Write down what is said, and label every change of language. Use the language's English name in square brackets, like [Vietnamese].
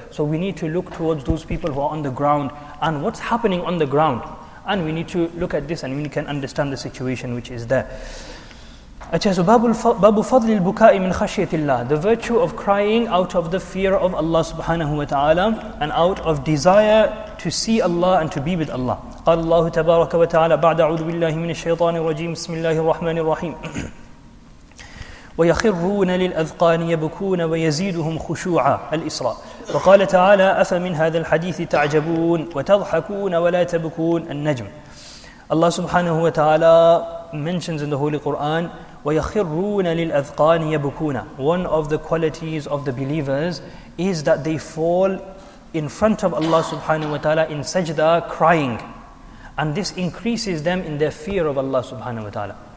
[English] So we need to look towards those people who are on the ground and what's happening on the ground. And we need to look at this and we can understand the situation which is there. So, [Arabic] Babu Fadlil Bukai Min Khashiyatillah, [English] the virtue of crying out of the fear of Allah subhanahu wa ta'ala and out of desire to see Allah and to be with Allah. [Arabic] قال الله تبارك وتعالى بعد أعوذ بالله من الشيطان الرجيم بسم الله الرحمن الرحيم ويخرون للأذقان يبكون ويزيدهم خشوعا الإسراء وقال تعالى أفمن هذا الحديث تعجبون وتضحكون ولا تبكون النجم. [English] Allah subhanahu wa ta'ala mentions in the Holy Quran [Arabic] ويخرون للأذقان يبكون. [English] One of the qualities of the believers is that they fall in front of Allah subhanahu wa ta'ala in sajda crying, and this increases them in their fear of Allah subhanahu wa ta'ala.